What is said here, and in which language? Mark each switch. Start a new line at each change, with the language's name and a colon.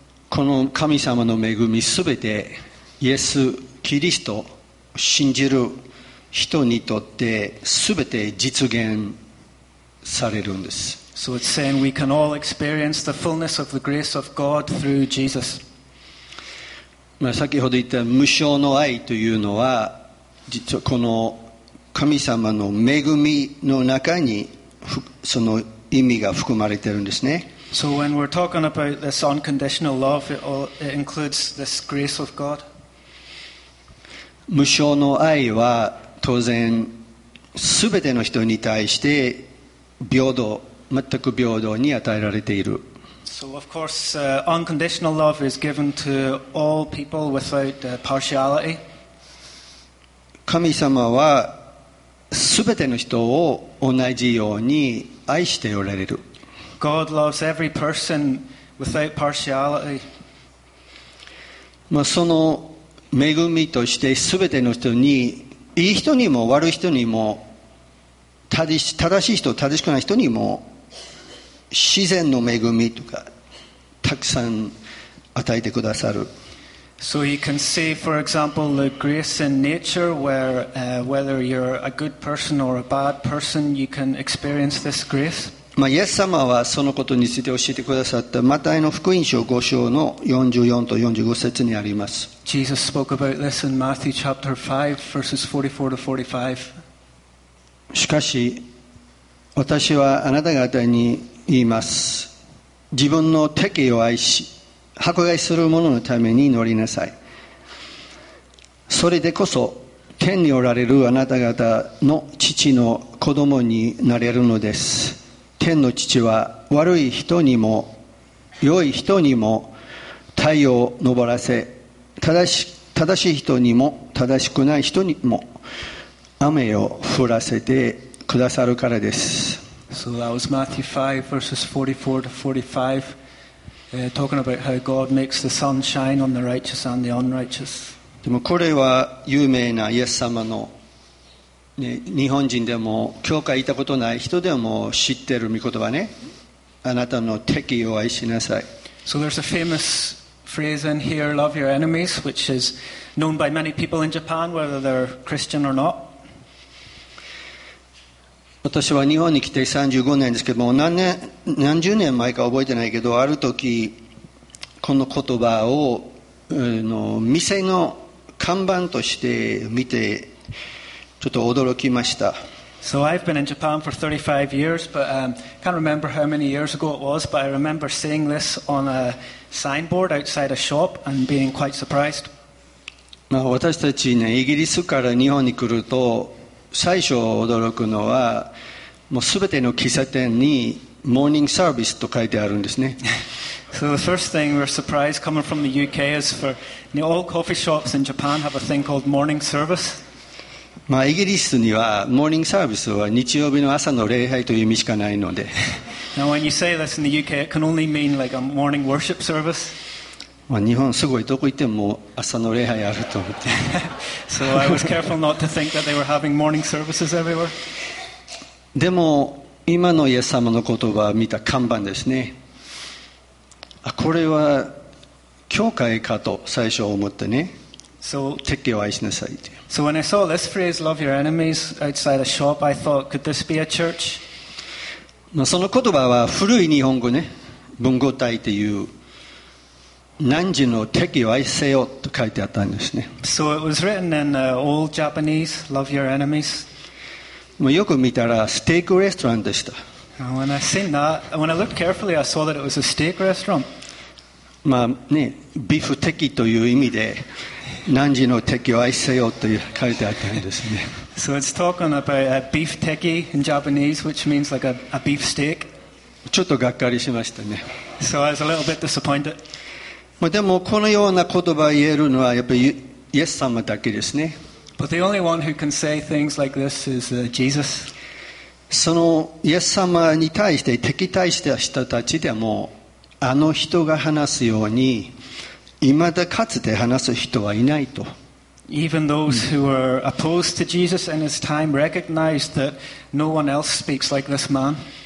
Japanese: この神様の恵みすべてイエス・キリストを信じる人にとってすべて実現されるんです。
English: So it's saying we can all experience the fullness of the grace of God through Jesus.
Japanese: まあ、先ほど言った無償の愛というのは、実はこの神様の恵みの中にその意味が含まれているんですね。
English: So when we're talking about this unconditional love, it includes this grace of God.
Japanese: 無償の愛は当然全ての人に対して平等、全く平等に与えられている。
English: So of course, unconditional love is given to all people without partiality.
Japanese: 神様は全ての人を同じように愛しておられる。
English: God loves every person without partiality.
Japanese: まあその恵みとして全ての人に、いい人にも悪い人にも、正しい人正しくない人にも、自然の恵みとかたくさん与えてくださる。
English: So you can see, for example, the grace in nature where, whether you're a good person or a bad person, you can experience this grace.
Japanese: まあ、イエス様はそのことについて教えてくださったマタイの福音書5章の44と45節にあります。
English: Jesus spoke about this in Matthew chapter 5, verses 44 to 45.
Japanese: しかし、私はあなた方に言います。自分の敵を愛し、迫害する者のために祈りなさい。それでこそ、天におられるあなた方の父の子供になれるのです。天の父は悪い人にも、良い人にも太陽を昇らせ、正しい人にも、正しくない人にも、雨を降らせてくださるからです。
English: So that was Matthew 5, verses 44 to 45, talking about how God makes the sun shine on the righteous and the unrighteous.
Japanese: でもこれは有名なイエス様の、ね、日本人でも教会行ったことない人でも知ってる御言葉ね。あなたの敵を愛しなさい。
English: So there's a famous phrase in here, love your enemies, which is known by many people in Japan, whether they're Christian or not.
Japanese: 私は日本に来て35年ですけども、何十年前か覚えてないけど、ある時この言葉を、店の看板として見てちょっと驚きました。
English: So I've been in Japan for 35 years, but I can't remember how many years ago it was, but I remember seeing this on a signboard outside a shop and being quite surprised.
Japanese: まあ私たちね、イギリスから日本に来ると最初驚くのは、もうすべての喫茶店にモーニングサービスと書いてあるんですね。
English: So the first thing we're surprised coming from the UK is for all coffee shops in Japan have a thing called morning service.
Japanese: まあイギリスにはモーニングサービスは日曜日の朝の礼拝という意味しかないので。
English: Now when you say this in the UK, it can only mean like a morning worship service.
Japanese: まあ日本すごいどこ行っても朝の礼拝あると思って。
English: So I was careful not to think that they were having morning services everywhere.
Japanese: でも今のイエス様の言葉を見た看板ですね。これは教会かと最初思ってね。
English: So,
Japanese: 敵を愛しなさいと。
English: So when I saw this phrase, love your enemies, outside a shop, I thought, could this be a church?
Japanese: まあその言葉は古い日本語ね、文語体という何時の敵を愛せよと書いてあったんですね。
English: So it was written in old Japanese, love your enemies.
Japanese: もうよく見たらステーキレストランでした。
English: When I seen that, when I looked carefully, I saw that it was a steak restaurant.
Japanese: まあね、ビーフテキという意味で、何時の敵を愛せよと書いてあったんですね。
English: So it's talking about a beef teki in Japanese, which means like a beef steak.
Japanese: ちょっとがっかりしましたね。
English: So I was a little bit disappointed.
Japanese: まあでもこのような言葉を言えるのはやっぱりイエス様だけですね。
English: But the only one who can say things like this is Jesus.
Japanese: そのイエス様に対して敵対した人たちでもあの人が話すようにいまだかつて話す人はいないと。
English: Even those who were opposed to Jesus in his time recognized that no one else speaks like this man.